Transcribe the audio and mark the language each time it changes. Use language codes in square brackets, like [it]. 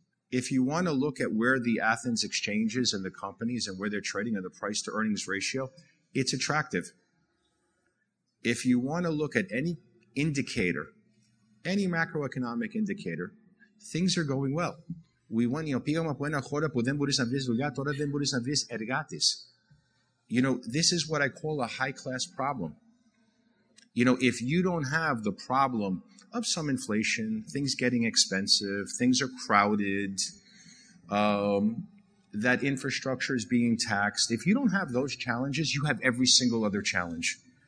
[en] If you want to look at where the Athens exchanges and the companies and where they're trading and the price to earnings ratio, it's attractive. If you want to look at any indicator, any macroeconomic indicator, things are going well. We went, you know, [el] από ένα χώρα που δεν μπορείς να βρεις δουλειά, τώρα δεν μπορείς να βρεις εργάτης. [en] You know, this is what I call a high-class problem. You know, if you don't have the problem of some inflation, things getting expensive, things are crowded, that infrastructure is being taxed. If you don't have those challenges, you have every single other challenge.